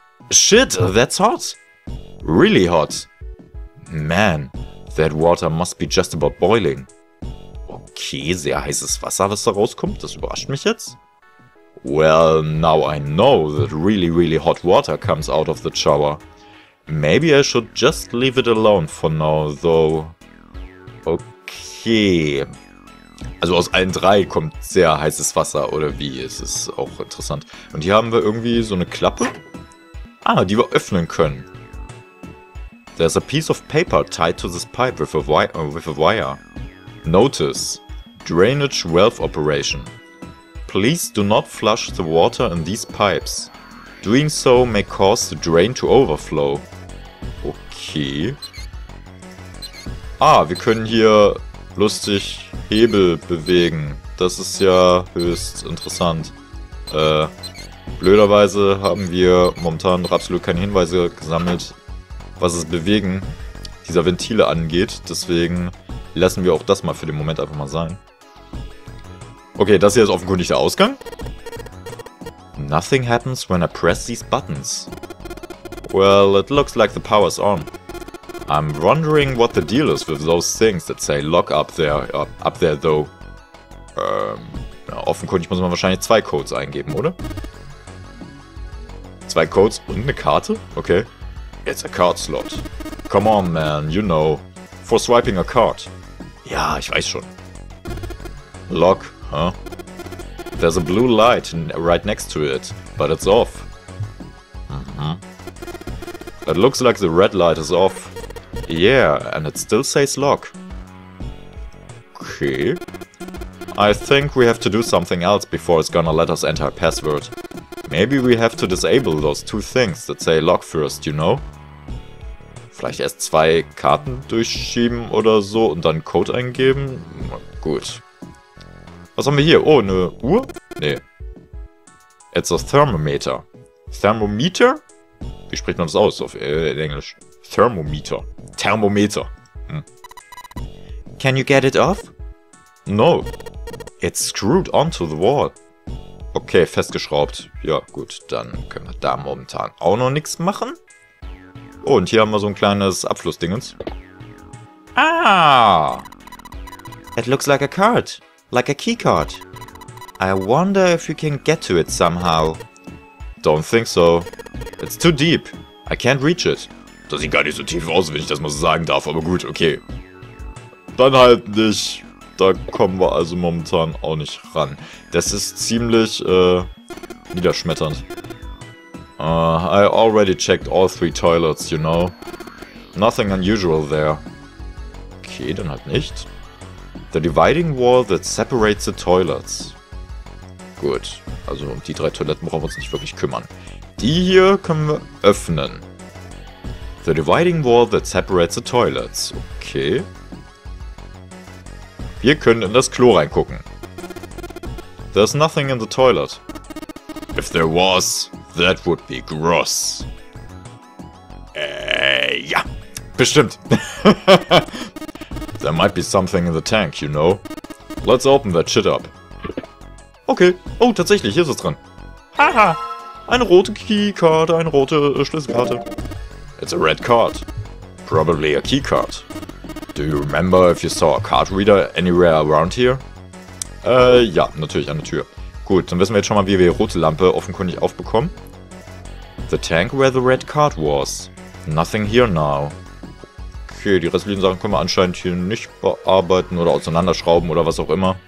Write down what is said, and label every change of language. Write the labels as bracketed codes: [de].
[en] Shit, that's hot! Really hot! Man, that water must be just about boiling. [de] Okay, sehr heißes Wasser, was da rauskommt. Das überrascht mich jetzt. [en] Well, now I know that really, really hot water comes out of the shower. Maybe I should just leave it alone for now, though. Okay. [de] Also aus allen drei kommt sehr heißes Wasser, oder wie? Es ist auch interessant. Und hier haben wir irgendwie so eine Klappe. Ah, die wir öffnen können. [en] There's a piece of paper tied to this pipe with a wire. Notice. Drainage valve operation. Please do not flush the water in these pipes. Doing so may cause the drain to overflow. [de] Okay. Ah, wir können hier lustig Hebel bewegen. Das ist ja höchst interessant. Blöderweise haben wir momentan noch absolut keine Hinweise gesammelt, was es bewegen dieser Ventile angeht. Deswegen lassen wir auch das mal für den Moment einfach mal sein. Okay, das hier ist offenkundig der Ausgang. [en] Nothing happens when I press these buttons. Well, it looks like the power's on. I'm wondering what the deal is with those things that say lock up there though. [de] Ja, offenkundig muss man wahrscheinlich zwei Codes eingeben, oder? Zwei Codes und eine Karte? Okay. [en] It's a card slot. Come on, man, you know. For swiping a card. [de] Ja, ich weiß schon. [en] Lock. Huh? There's a blue light right next to it, but it's off. It looks like the red light is off. Yeah, and it still says lock. Okay. I think we have to do something else before it's gonna let us enter a password. Maybe we have to disable those two things that say lock first, you know? [de] Vielleicht erst zwei Karten durchschieben oder so und dann Code eingeben? Gut. Was haben wir hier? Oh, eine Uhr? Nee. [en] It's a thermometer. Thermometer? [de] Wie spricht man das aus auf in Englisch? [en] Thermometer. Thermometer. Can you get it off? No. It's screwed onto the wall. Okay, festgeschraubt. [de] Ja, gut, dann können wir da momentan auch noch nichts machen. Oh, und hier haben wir so ein kleines Abflussdingens. [en] Ah! It looks like a card. Like a keycard. I wonder if you can get to it somehow. Don't think so. It's too deep. I can't reach it. [de] Das sieht gar nicht so tief aus, wenn ich das mal so sagen darf, aber gut, okay. Dann halt nicht. Da kommen wir also momentan auch nicht ran. Das ist ziemlich, niederschmetternd. [en] I already checked all three toilets, you know. Nothing unusual there. [de] Okay, dann halt nicht. [en] The dividing wall that separates the toilets. [de] Gut, also um die drei Toiletten brauchen wir uns nicht wirklich kümmern. Die hier können wir öffnen. [en] The dividing wall that separates the toilets. Okay. [de] Wir können in das Klo reingucken. [en] There's nothing in the toilet. If there was, that would be gross. [de] Ja, bestimmt. [en] There might be something in the tank, you know. Let's open that shit up. [de] Okay. Oh, tatsächlich, hier ist es dran. Haha! Eine rote Keycard, eine rote Schlüsselkarte. [en] It's a red card. probably a keycard. Do you remember if you saw a card reader anywhere around here? [de] Ja, natürlich an der Tür. Gut, dann wissen wir jetzt schon mal, wie wir die rote Lampe offenkundig aufbekommen. [en] The tank where the red card was. Nothing here now. [de] Okay, die restlichen Sachen können wir anscheinend hier nicht bearbeiten oder auseinanderschrauben oder was auch immer.